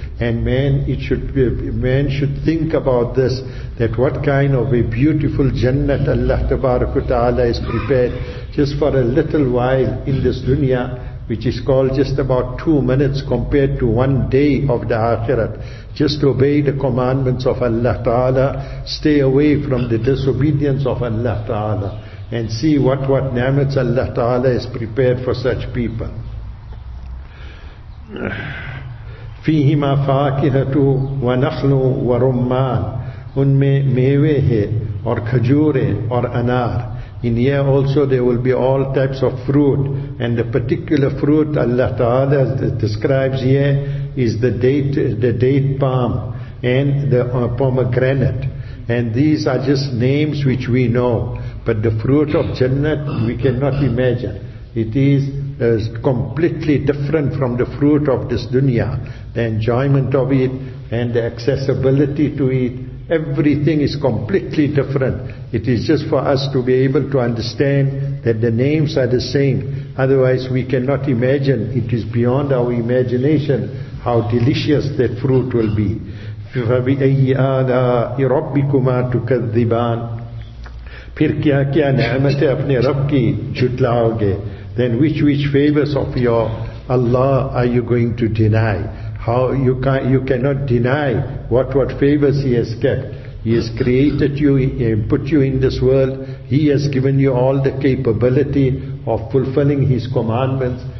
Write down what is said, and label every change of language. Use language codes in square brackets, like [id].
[en] And man should think about this, that what kind of a beautiful jannat Allah Tabarak wa Ta'ala has prepared just for a little while in this dunya, which is called just about 2 minutes compared to 1 day of the akhirat. Just obey the commandments of Allah Ta'ala, stay away from the disobedience of Allah Ta'ala, and see what ni'mats Allah Ta'ala has prepared for such people. [ar] فِيهِمَا فَاكِهَةُ وَنَخْلُ وَرُمَّانُ [ur] ان میں میوے ہیں اور کھجوریں اور انار. [en] In here also there will be all types of fruit, and the particular fruit Allah Ta'ala describes here is the date palm and the pomegranate. And these are just names which we know, but the fruit of Jannat we cannot imagine. It is completely different from the fruit of this dunya, the enjoyment of it and the accessibility to it. Everything is completely different. It is just for us to be able to understand that the names are the same. Otherwise, we cannot imagine. It is beyond our imagination how delicious that fruit will be. [ar] فَبِأَيِّ آلَاءِ رَبِّكُمَا تُكَذِّبَانِ [ur] پھر کیا کیا نعمتیں اپنے رب کی جھٹلاؤ گے. [en] Then which favors of your Allah are you going to deny? How you cannot deny what favors He has kept. He has created you and put you in this world. He has given you all the capability of fulfilling His commandments.